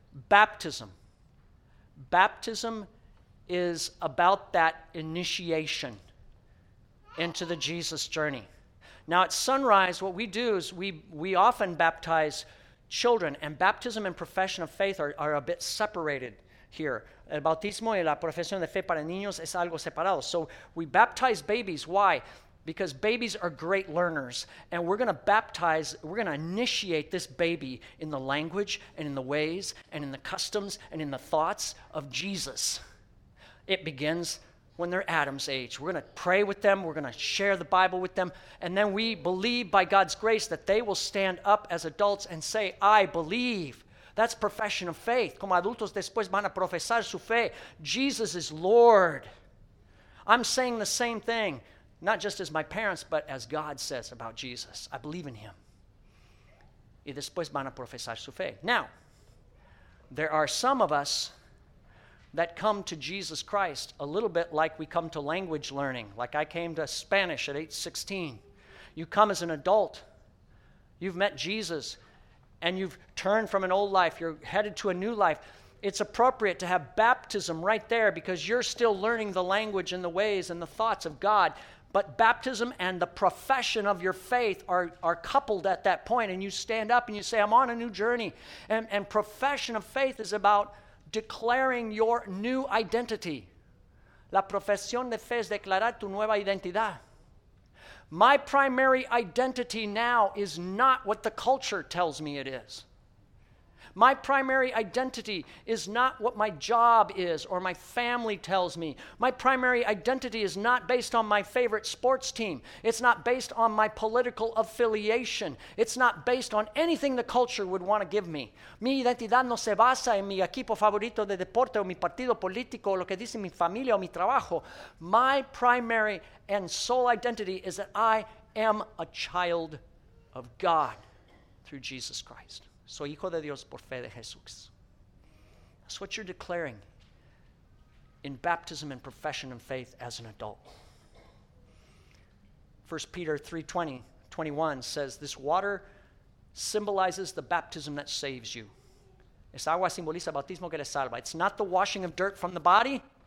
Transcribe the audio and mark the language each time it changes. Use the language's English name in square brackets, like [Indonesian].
[English] Baptism. Baptism is about that initiation into the Jesus journey. Now at sunrise, what we do is we often baptize children, and baptism and profession of faith are a bit separated here. [Spanish] El bautismo y la profesión de fe para niños es algo separado. [English] So we baptize babies. Why? Because babies are great learners, and we're going to initiate this baby in the language and in the ways and in the customs and in the thoughts of Jesus. It begins when they're Adam's age. We're going to pray with them. We're going to share the Bible with them. And then we believe by God's grace that they will stand up as adults and say, I believe. That's profession of faith. [Spanish] Como adultos después van a profesar su fe. [English] Jesus is Lord. I'm saying the same thing, not just as my parents, but as God says about Jesus. I believe in him. [Spanish] Y después van a profesar su fe. [English] Now, there are some of us that come to Jesus Christ a little bit like we come to language learning, like I came to Spanish at age 16. You come as an adult. You've met Jesus, and you've turned from an old life. You're headed to a new life. It's appropriate to have baptism right there because you're still learning the language and the ways and the thoughts of God. But baptism and the profession of your faith are coupled at that point, and you stand up and you say, I'm on a new journey. And profession of faith is about declaring your new identity. [Spanish] La profesión de fe es declarar tu nueva identidad. [English] My primary identity now is not what the culture tells me it is. My primary identity is not what my job is or my family tells me. My primary identity is not based on my favorite sports team. It's not based on my political affiliation. It's not based on anything the culture would want to give me. [Spanish] Mi identidad no se basa en mi equipo favorito de deporte o mi partido político o lo que dice mi familia o mi trabajo. [English] My primary and sole identity is that I am a child of God through Jesus Christ. [Spanish] Soy hijo de Dios por fe de Jesús. [English] That's what you're declaring in baptism and profession of faith as an adult. 1 Peter 3:20, 21 says, this water symbolizes the baptism that saves you. [Spanish] Es agua simboliza bautismo que le salva. [English] It's not the washing of dirt from the body.